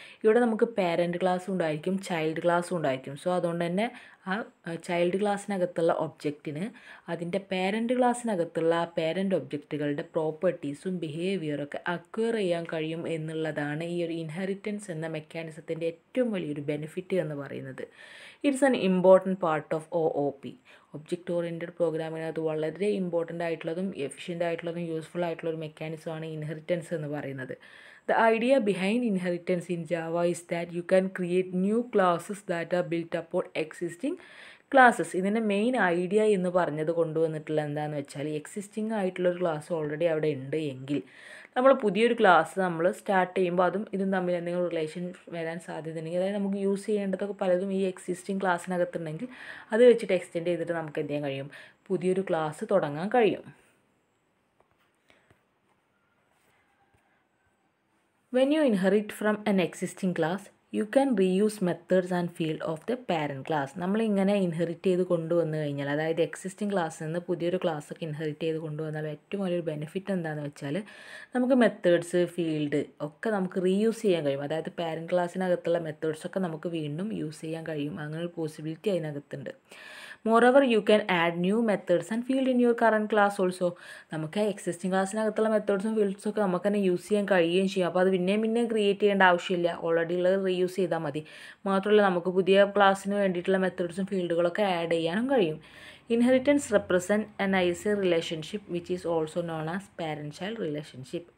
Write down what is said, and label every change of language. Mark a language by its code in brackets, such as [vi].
[ml] ഇവിടെ നമുക്ക് parent class ഉണ്ടായിരിക്കും, ചൈൽഡ് ക്ലാസ് ഉണ്ടായിരിക്കും. സോ അതുകൊണ്ട് തന്നെ ആ ചൈൽഡ് ക്ലാസ്സിനകത്തുള്ള ഒബ്ജക്റ്റിന് അതിൻ്റെ പാരൻ്റ് ക്ലാസ്സിനകത്തുള്ള ആ പാരൻ്റ് ഒബ്ജക്റ്റുകളുടെ പ്രോപ്പർട്ടീസും ബിഹേവിയറൊക്കെ അക്വയർ ചെയ്യാൻ കഴിയും എന്നുള്ളതാണ് ഈ ഒരു ഇൻഹെറിറ്റൻസ് എന്ന മെക്കാനിസത്തിൻ്റെ ഏറ്റവും വലിയൊരു ബെനിഫിറ്റ് എന്ന് പറയുന്നത്. [en] it's an important part of OOP, [ml] object oriented പ്രോഗ്രാമിനകത്ത് വളരെ ഇമ്പോർട്ടൻ്റ് ആയിട്ടുള്ളതും എഫിഷ്യൻ്റ് ആയിട്ടുള്ളതും യൂസ്ഫുൾ ആയിട്ടുള്ളൊരു മെക്കാനിസമാണ് ഇൻഹെറിറ്റൻസ് എന്ന് പറയുന്നത്. [en] The idea behind inheritance in Java is that you can create new classes that are built upon existing classes. [ml] ഇതിൻ്റെ main idea എന്ന് പറഞ്ഞത് കൊണ്ടുവന്നിട്ടുള്ള എന്താണെന്ന് വെച്ചാൽ, എക്സിസ്റ്റിംഗ് ആയിട്ടുള്ളൊരു ക്ലാസ് ഓൾറെഡി അവിടെ ഉണ്ട് എങ്കിൽ നമ്മൾ പുതിയൊരു ക്ലാസ് നമ്മൾ സ്റ്റാർട്ട് ചെയ്യുമ്പോൾ അതും ഇതും തമ്മിൽ എന്തെങ്കിലും റിലേഷൻ വരാൻ സാധ്യത ഉണ്ടെങ്കിൽ, അതായത് നമുക്ക് യൂസ് ചെയ്യേണ്ടതൊക്കെ പലതും ഈ എക്സിസ്റ്റിംഗ് ക്ലാസ്സിനകത്തുണ്ടെങ്കിൽ അത് വെച്ചിട്ട് എക്സ്റ്റെൻഡ് ചെയ്തിട്ട് നമുക്ക് എന്ത് ചെയ്യാൻ കഴിയും, പുതിയൊരു ക്ലാസ് തുടങ്ങാൻ കഴിയും. [en] When you inherit from an existing class, you can reuse methods and field of the parent class. [ml] നമ്മളിങ്ങനെ ഇൻഹെറിറ്റ് ചെയ്ത് കൊണ്ടുവന്നു കഴിഞ്ഞാൽ, അതായത് എക്സിസ്റ്റിംഗ് ക്ലാസ്സിൽ നിന്ന് പുതിയൊരു ക്ലാസ്സൊക്കെ ഇൻഹെറിറ്റ് ചെയ്ത് കൊണ്ടുവന്നാൽ ഏറ്റവും വലിയൊരു ബെനിഫിറ്റ് എന്താണെന്ന് വെച്ചാൽ, നമുക്ക് മെത്തേഡ്സ് ഫീൽഡ് ഒക്കെ നമുക്ക് റീയൂസ് ചെയ്യാൻ കഴിയും. അതായത് പാരൻറ്റ് ക്ലാസ്സിനകത്തുള്ള മെത്തേഡ്സൊക്കെ നമുക്ക് വീണ്ടും യൂസ് ചെയ്യാൻ കഴിയും, അങ്ങനെ ഒരു പോസിബിലിറ്റി അതിനകത്തുണ്ട്. [en] Moreover, you can add new methods and fields in your current class also. [ml] നമുക്ക് എക്സിസ്റ്റിംഗ് ക്ലാസ്സിനകത്തുള്ള മെത്തേഡ്സും ഫീൽഡ്സൊക്കെ നമുക്ക് തന്നെ യൂസ് ചെയ്യാൻ കഴിയുകയും ചെയ്യും. അപ്പോൾ അത് പിന്നെയും പിന്നെയും ക്രിയേറ്റ് ചെയ്യേണ്ട ആവശ്യമില്ല, ഓൾറെഡി ഉള്ളത് റീയൂസ് ചെയ്താൽ മതി. മാത്രമല്ല നമുക്ക് പുതിയ ക്ലാസ്സിന് വേണ്ടിയിട്ടുള്ള മെത്തേഡ്സും ഫീൽഡുകളൊക്കെ ആഡ് ചെയ്യാനും കഴിയും. [en] Inheritance represent an ISA relationship which is also known as parent child relationship.